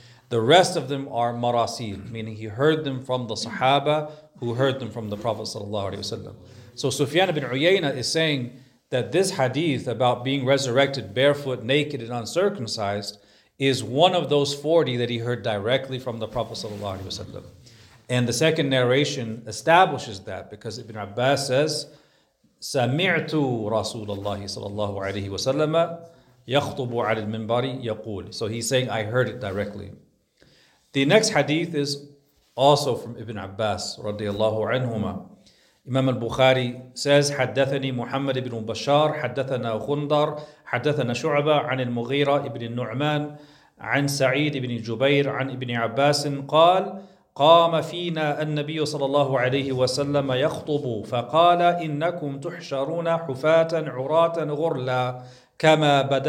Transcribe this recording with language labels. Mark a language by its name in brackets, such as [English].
[English] The rest of them are marasil, meaning he heard them from the sahaba who heard them from the Prophet sallallahu alaihi wasallam. So Sufyan ibn Uyayna is saying that this hadith about being resurrected barefoot, naked, and uncircumcised is one of those 40 that he heard directly from the Prophet sallallahu alaihi wasallam. And the second narration establishes that, because Ibn Abbas says, [Arabic] سمعت رسول الله صلى الله عليه وسلم يخطب على المنبر يقول. [English] So he's saying, I heard it directly. The next hadith is also from Ibn Abbas [Arabic] رضي الله عنهما. [English] Imam al-Bukhari says, [Arabic] حدثني محمد بن بشار حدثنا خندر حدثنا شعبة عن المغيرة ابن النعمان عن سعيد بن جبير عن ابن عباس قال قام فينا النبي صلى الله عليه وسلم يخطب فقال إنكم تحشرون حفاة عراة غرلا كما